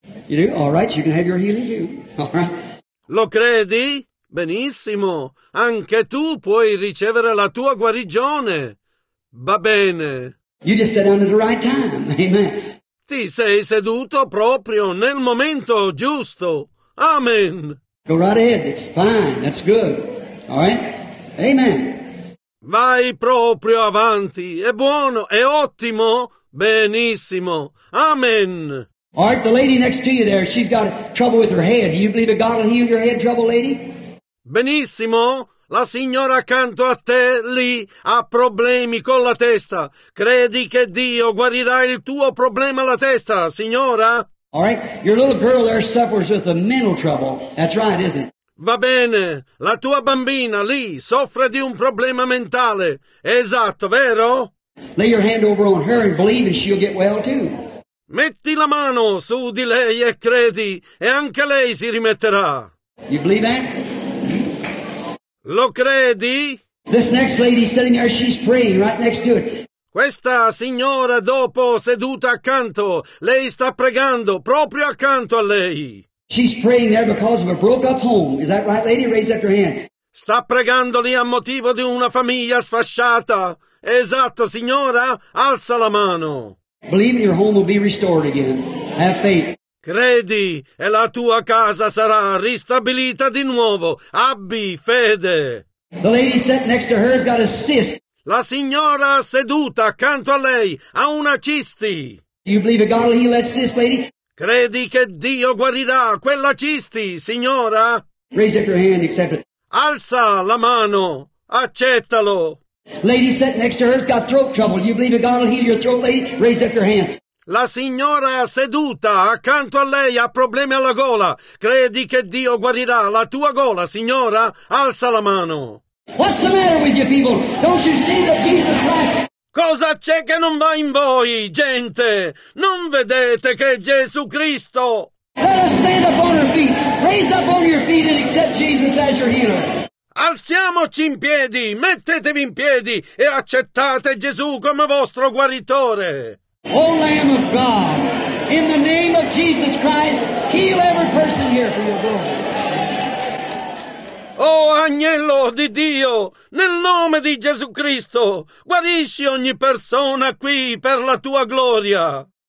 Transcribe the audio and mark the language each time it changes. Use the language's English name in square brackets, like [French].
[English] You do? All right, you can have your healing too. All right. [Italian] Lo credi? Benissimo. Anche tu puoi ricevere la tua guarigione. Va bene. [English] You just sat down at the right time. Amen. [Italian] Ti sei seduto proprio nel momento giusto. [English] Amen. Go right ahead. It's fine. That's good. All right. Amen. [Italian] Vai proprio avanti. È buono, è ottimo. Benissimo. Amen. [English] All right, the lady next to you there, she's got trouble with her head. Do you believe that God will heal your head trouble, lady? [Italian] Benissimo. La signora accanto a te, lì, ha problemi con la testa. Credi che Dio guarirà il tuo problema alla testa, signora? [English] All right, your little girl there suffers with a mental trouble. That's right, isn't it? [Italian] Va bene, la tua bambina lì soffre di un problema mentale. Esatto, vero? [English] Lay your hand over on her and believe and she'll get well too. [Italian] Metti la mano su di lei e credi, e anche lei si rimetterà. [English] You believe that? [Italian] Lo credi? [English] This next lady sitting there, she's praying right next to it. [Italian] Questa signora dopo seduta accanto, lei sta pregando proprio accanto a lei. [English] She's praying there because of a broke up home. Is that right, lady? Raise up your hand. [Italian] Sta pregando lì a motivo di una famiglia sfasciata. Esatto, signora. Alza la mano. [English] Believe your home will be restored again. Have faith. [Italian] Credi e la tua casa sarà ristabilita di nuovo. Abbi fede. [English] The lady sitting next to her has got a cyst. [Italian] La signora seduta accanto a lei ha una cisti. [English] You believe that God will heal that cyst, lady? [Italian] Credi che Dio guarirà quella cisti, signora? [English] Raise up your hand, accept it. [Italian] Alza la mano, accettalo. [English] Lady sitting next to her has got throat trouble. You believe that God will heal your throat, lady? Raise up your hand. [Italian] La signora seduta accanto a lei ha problemi alla gola. Credi che Dio guarirà la tua gola, signora? Alza la mano. [English] What's the matter with you people? Don't you see that Jesus Christ... [Italian] Cosa c'è che non va in voi, gente? Non vedete che Gesù Cristo... [English] Let us stand up on our feet. Raise up on your feet and accept Jesus as your healer. [Italian] Alziamoci in piedi, mettetevi in piedi e accettate Gesù come vostro guaritore. [English] O Lamb of God, in the name of Jesus Christ, heal every person here for your glory. [Italian] Oh, agnello di Dio, nel nome di Gesù Cristo, guarisci ogni persona qui per la tua gloria.